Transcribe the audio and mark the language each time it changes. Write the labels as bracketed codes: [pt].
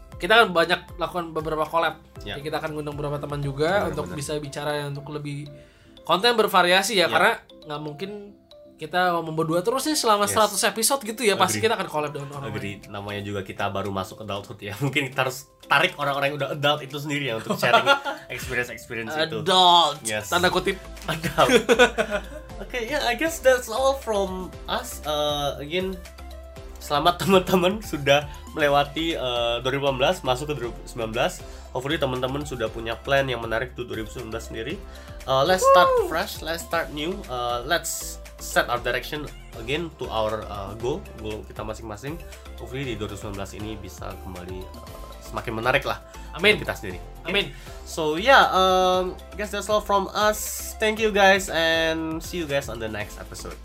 [id] Kita akan banyak lakukan beberapa collab. Yeah. Jadi kita akan ngundang beberapa teman juga untuk bisa bicara untuk lebih konten bervariasi ya. Karena nggak mungkin kita ngomong berdua terus nih selama 100 episode gitu ya. Pasti kita akan collab dengan orang lain. Namanya juga kita baru masuk adulthood ya. Mungkin kita harus tarik orang-orang yang udah adult itu sendiri ya untuk sharing experience-experience adult. Itu. Adult! Yes. Tanda kutip. Adult. [en] Okay, yeah, I guess that's all from us. Again, [id] selamat teman-teman sudah melewati 2018 masuk ke 2019. [en] Hopefully [id] teman-teman sudah punya plan yang menarik tuh 2019 sendiri. [en] Let's start fresh, let's start new. Let's set our direction again to our goal [id] kita masing-masing. [en] Hopefully [id] di 2019 ini bisa kembali semakin menarik lah. Amin. Kita sendiri. Okay? Amin. [en] So yeah, guess that's all from us. Thank you guys and see you guys on the next episode.